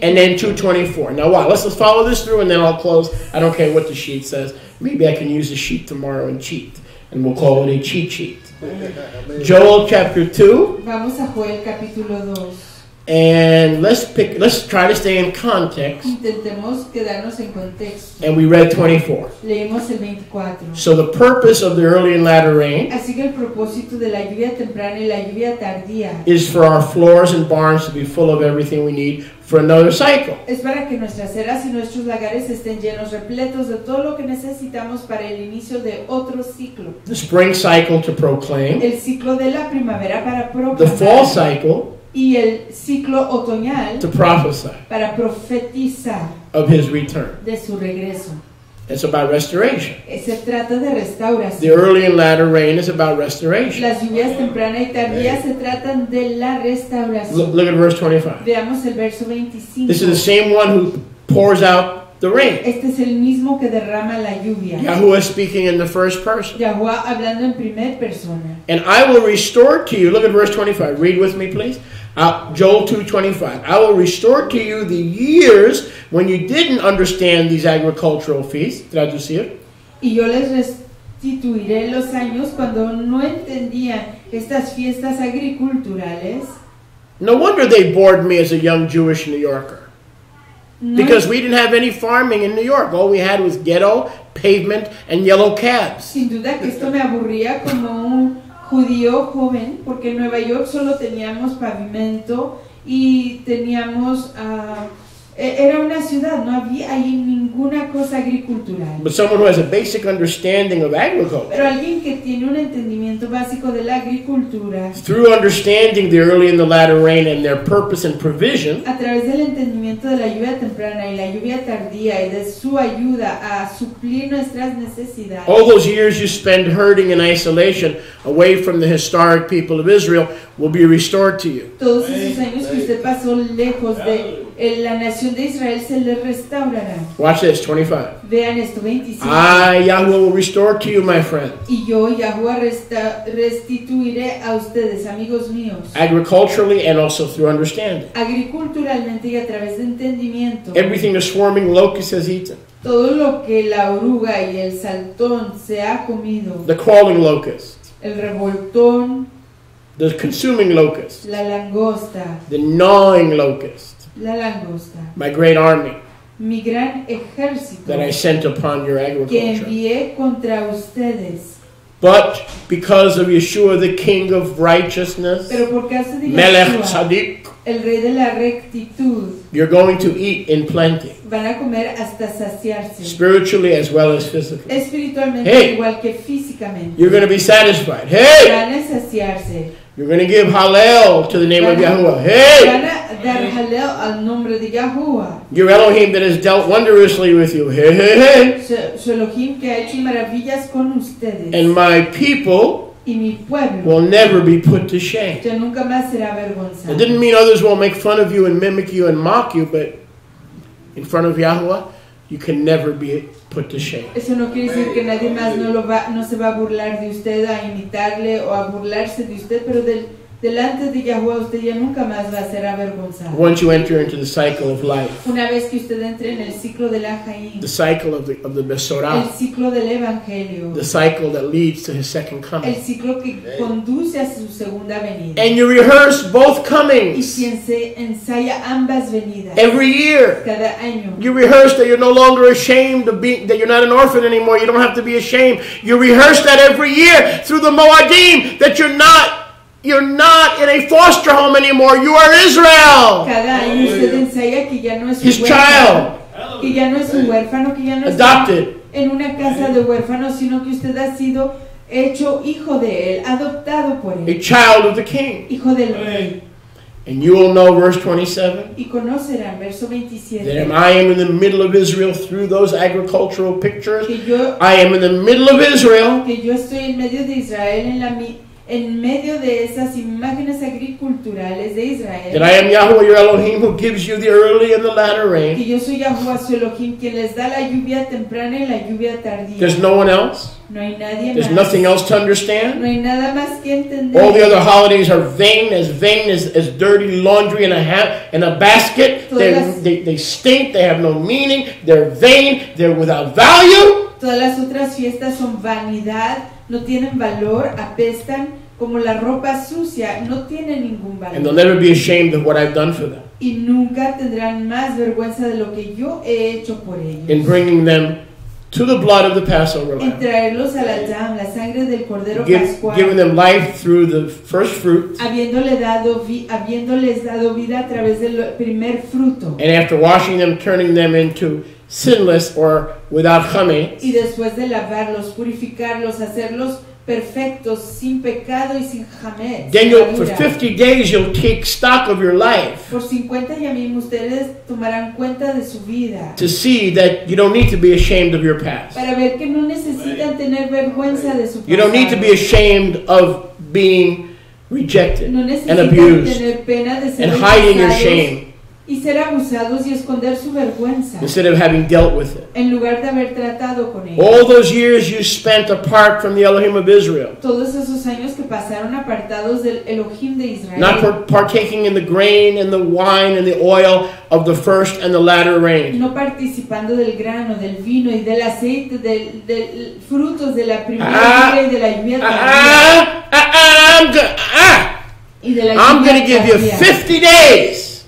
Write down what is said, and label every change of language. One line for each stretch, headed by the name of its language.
English: And then 224. Now what? Let's follow this through and then I'll close. I don't care what the sheet says. Maybe I can use the sheet tomorrow and cheat. And we'll call it a cheat sheet. Joel chapter 2.
Spanish: Vamos a Joel capítulo 2.
English: And let's try to stay in context.
Spanish: Intentemos quedarnos en contexto.
English: And we read 24.
Spanish: Leemos el 24.
English: So the purpose of the early and latter rain,
Spanish: así que el propósito de la lluvia temprana y la lluvia tardía,
English: is for our floors and barns to be full of everything we need for another cycle.
Spanish: Es para que nuestras eras y nuestros lagares estén llenos, repletos de todo lo que necesitamos para el inicio de otro ciclo.
English: The spring cycle to proclaim.
Spanish: El ciclo de la primavera para proclamar.
English: The fall cycle.
Spanish: y el ciclo otoñal
English: to prophesy
Spanish: para profetizar
English: of his return.
Spanish: De su regreso.
English: It's about restoration.
Spanish: Se trata de restauración.
English: The early and latter rain is about restoration.
Spanish: Las lluvias tempranas y tardías se tratan de la restauración.
English: Look at verse 25.
Spanish: Veamos el verso 25.
English: This is the same one who pours out the rain.
Spanish: Este es el mismo que derrama la lluvia.
English: Yahuwah is speaking in the first person.
Spanish: Yahuwah hablando en primer persona.
English: And I will restore to you, look at verse 25, read with me please. Joel 2:25. I will restore to you the years when you didn't understand these agricultural feasts.
Spanish: Traducir. Y yo les restituiré los años cuando no entendían estas fiestas agriculturales.
English: No wonder they bored me as a young Jewish New Yorker. Because we didn't have any farming in New York. All we had was ghetto, pavement, and yellow cabs.
Spanish: Sin duda que esto me aburría como un judío joven, porque en Nueva York solo teníamos pavimento y teníamos, era una ciudad, no había ahí ninguna cosa agricultural.
English: But someone who has a basic understanding of agriculture.
Spanish: Pero alguien que tiene un entendimiento básico de la agricultura.
English: Through understanding the early and the latter rain and their purpose and provision.
Spanish: A través del entendimiento de la lluvia temprana y la lluvia tardía y de su ayuda a suplir nuestras necesidades.
English: All those years you spend herding in isolation away from the historic people of Israel will be restored to you.
Spanish: Todos esos años que usted pasó lejos de la nación de Israel se le restaurará.
English: Watch this, 25.
Spanish: Vean esto, 25.
English: I, Yahuwah, will restore to you, my friend.
Spanish: Y yo, Yahuwah, restituiré a ustedes, amigos míos.
English: Agriculturally and also through understanding.
Spanish: Agriculturalmente y a través de entendimiento.
English: Everything the swarming locust has eaten.
Spanish: Todo lo que la oruga y el saltón se ha comido.
English: The crawling locust.
Spanish: El revoltón.
English: The consuming locust.
Spanish: La langosta.
English: The gnawing locust.
Spanish: La langosta.
English: My great army.
Spanish: Mi gran ejército.
English: That I sent upon your agriculture.
Spanish: Que envié contra ustedes.
English: But because of Yeshua, the King of Righteousness.
Spanish: Pero por causa de
Hebrew: Melech Yeshua, Tzadik.
Spanish: El Rey de la Rectitud.
English: You're going to eat in plenty.
Spanish: Van a comer hasta saciarse.
English: Spiritually as well as physically.
Spanish: Espiritualmente, hey, igual que físicamente.
English: You're going to be satisfied. Hey!
Spanish: Van a saciarse.
English: You're going to give hallel to the name
Spanish: van
English: of Yahuwah. Hey!
Spanish: Dar hallel al nombre de Yahuwah.
English: Your Elohim that has dealt wondrously with you. Hey, hey, hey!
Spanish: Su Elohim que ha hecho maravillas con ustedes.
English: And my people
Spanish: y mi pueblo
English: will never be put to shame.
Spanish: Ya nunca más será avergonzado.
English: It didn't mean others won't make fun of you and mimic you and mock you, but in front of Yahuwah, you can never be put to shame.
Spanish: Eso no quiere decir que nadie más no se va a burlar de usted, a imitarle o a burlarse de usted, pero delante de Yahuwah usted ya nunca más va a ser avergonzado.
English: Once you enter into the cycle of life.
Spanish: Una vez que usted entre en el ciclo de la Jaim.
English: The cycle of the Besorah.
Spanish: El ciclo del Evangelio.
English: The cycle that leads to his second coming.
Spanish: El ciclo que conduce a su segunda venida.
English: And you rehearse both comings.
Spanish: Y se ensaya ambas venidas.
English: Every year.
Spanish: Cada año.
English: You rehearse that you're no longer ashamed of being, that you're not an orphan anymore. You don't have to be ashamed. You rehearse that every year through the Moadim that you're not in a foster home anymore. You are Israel.
Spanish: Cada año usted ensaya que ya no es
English: his child.
Spanish: Que ya no es un huérfano, que ya no
English: adopted.
Spanish: Está en una casa de huérfanos, sino que usted ha sido hecho hijo de él, adoptado por él.
English: A child of the King.
Spanish: Hijo del rey.
English: And you will know, verse 27,
Spanish: y conocerán, verso 27,
English: that I am in the middle of Israel through those agricultural pictures.
Spanish: Que yo,
English: I am in the middle of Israel.
Spanish: Que yo estoy en medio de Israel, en medio de esas imágenes agriculturales de Israel.
English: That I am Yahuwah your Elohim who gives you the early and the latter rain.
Spanish: Que yo soy Yahuwah su Elohim quien les da la lluvia temprana y la lluvia tardía.
English: There's no one else.
Spanish: No hay nadie
English: There's
Spanish: más.
English: Nothing else to understand.
Spanish: No hay nada más que entender.
English: All the other holidays are vain as dirty laundry in a basket. They stink. They have no meaning. They're vain. They're without value.
Spanish: Todas las otras fiestas son vanidad. No tienen valor, apestan como la ropa sucia, no tienen ningún valor.
English: And they'll never be ashamed of what I've done for them.
Spanish: Y nunca tendrán más vergüenza de lo que yo he hecho por ellos.
English: In bringing them to the blood of the Passover lamb.
Spanish: En traerlos a la dam, la sangre del cordero pascual.
English: Giving them life through the first fruit.
Spanish: Habiéndoles dado vida a través del primer fruto.
English: And after washing them, turning them into sinless or without chametz.
Spanish: Y después de lavarlos, purificarlos, hacerlos perfectos, sin pecado y sin chametz.
English: Then you'll, for 50 days you'll take stock of your life.
Spanish: Por 50 yamim ustedes tomarán cuenta de su vida.
English: To see that you don't need to be ashamed of your past.
Spanish: Para ver que no necesitan tener vergüenza de su pasado.
English: You don't need to be ashamed of being rejected and abused and hiding your shame.
Spanish: Y ser abusados y esconder su vergüenza.
English: Instead of having dealt with it.
Spanish: En lugar de haber tratado con ella.
English: All those years you spent apart from the Elohim of Israel.
Spanish: Todos esos años que pasaron apartados del Elohim de Israel.
English: Not partaking in the grain and the wine and the oil of the first and the latter rain.
Spanish: No participando del grano, del vino y del aceite, del frutos de la primera lluvia y de la lluvia tardía.
English: I'm going to give you 50 days.